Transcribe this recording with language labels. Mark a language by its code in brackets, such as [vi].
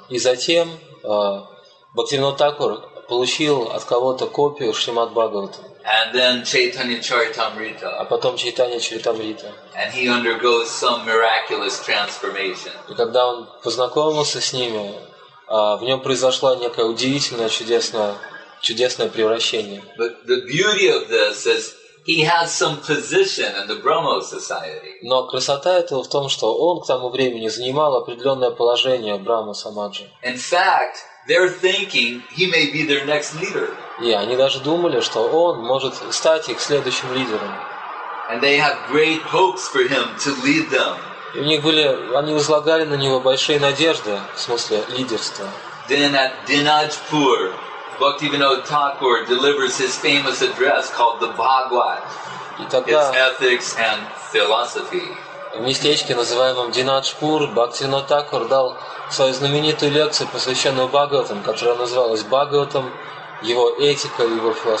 [ru] И затем Бхактивинода Такур получил от кого-то копию Шримад Бхагаватам. [en] And then Chaitanya Charitamrita. [ru] А потом Чайтанья Чаритамрита. [en] And he undergoes some miraculous transformation. [ru] И когда он познакомился с ними, в нем произошло некое удивительное, чудесное превращение. [en] But the beauty of this is he has some position in the Brahmo society. [ru] Но красота этого в том, что он к тому времени занимал определенное положение в Брахмо Самадже. [en] In fact, they're thinking he may be their next leader. [ru] Yeah, они даже думали, что он может стать их следующим лидером. [en] And they have great hopes for him to lead them. [ru] И у них были, они возлагали на него большие надежды в смысле лидерства. [en] Then at Dinajpur, Bhaktivinoda Thakur delivers his famous address called the Bhagwat. [ru] И тогда [en] his ethics and philosophy. [ru] В местечке, называемом Динаджпур, Бхактивинода Такур дал свою знаменитую лекцию, посвященную Бхагаватам, которая называлась «Бхагаватам, его этика и его